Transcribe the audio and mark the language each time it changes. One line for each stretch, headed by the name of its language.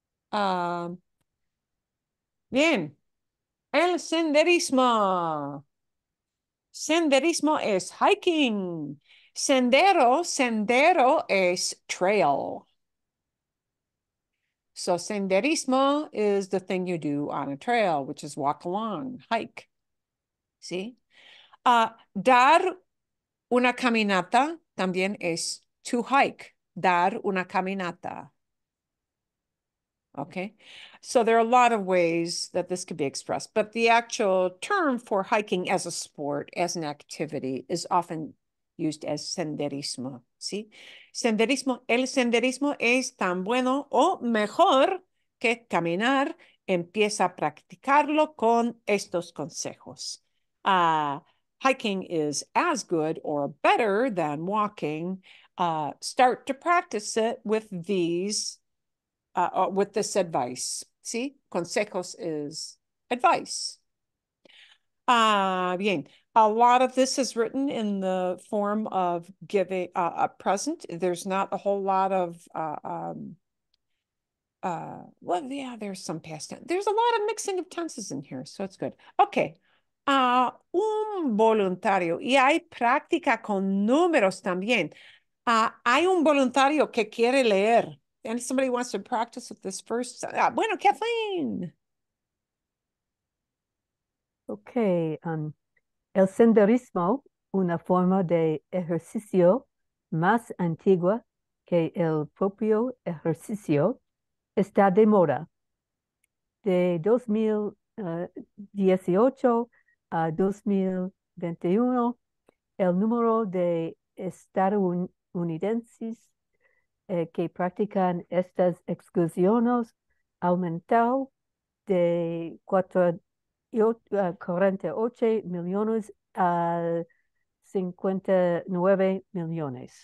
Spanish: Bien, el senderismo. Senderismo es hiking. Sendero es trail.
English: So senderismo is the thing you do on a trail, which is walk along, hike. See?
Spanish: Dar una caminata también es
English: to hike,
Spanish: dar una caminata.
English: Okay, so there are a lot of ways that this could be expressed, but the actual term for hiking as a sport, as an activity, is often used as senderismo. See,
Spanish: ¿sí? Senderismo, el senderismo es tan bueno o mejor que caminar. Empieza a practicarlo con estos consejos.
English: Hiking is as good or better than walking. Start to practice it with these, with this advice. See, consejos is advice.
Spanish: Bien,
English: a lot of this is written in the form of giving a present. There's not a whole lot of, well, yeah, there's some past tense. There's a lot of mixing of tenses in here, so it's good. Okay.
Spanish: Un voluntario y hay práctica con números también. Hay un voluntario que quiere leer.
English: And somebody wants to practice with this first.
Spanish: Bueno, Kathleen. Okay, el senderismo, una forma de ejercicio más antigua que el propio ejercicio, está de moda. De 2018 a 2021, el número de estadounidenses que practican estas excursiones ha aumentado de 48 millones a 59 millones.